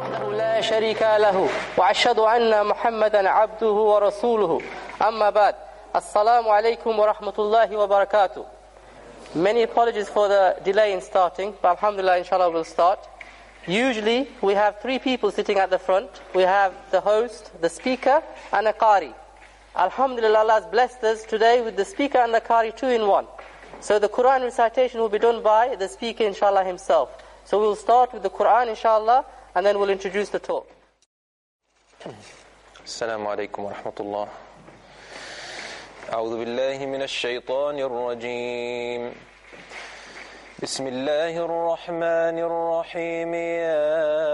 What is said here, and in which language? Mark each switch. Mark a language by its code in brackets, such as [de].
[ar] لا شريك له وأشهد أن محمدا عبده ورسوله أما بعد السلام عليكم ورحمة الله وبركاته. [en] Many apologies for the delay in starting, but alhamdulillah, inshallah, we'll start. Usually, we have three people sitting at the front. We have the host, the speaker, and a qari. Alhamdulillah, Allah has blessed us today with the speaker and the qari two in one. So the Quran recitation will be done by the speaker, inshallah, himself. So we'll start with the Quran, inshallah, and then we'll introduce the talk. [ar] Assalamu alaikum wa rahmatullah. أعوذ بالله من الشيطان الرجيم بسم الله الرحمن الرحيم يا